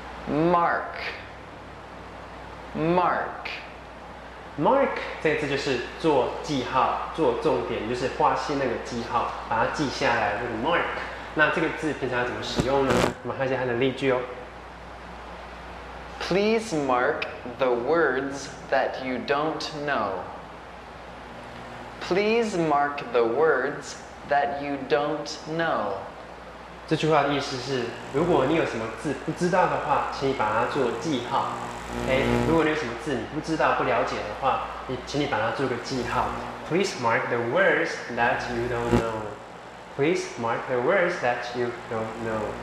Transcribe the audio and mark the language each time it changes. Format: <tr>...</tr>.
<en>mark， mark，</en> <zh>mark 这个字就是做记号，做重点，就是划线那个记号，把它记下来，这个 mark。那这个字平常要怎么使用呢？我们看一下它的例句哦。</zh> <en>Please mark the words that you don't know. Please mark the words that you don't know.</en> <zh>这句话的意思是，如果你有什么字不知道的话，请你把它做记号。</zh> <en>Okay?</en> <zh>如果你有什么字你不知道、不了解的话，请你把它做个记号。</zh> <en>Please mark the words that you don't know. Please mark the words that you don't know.</en>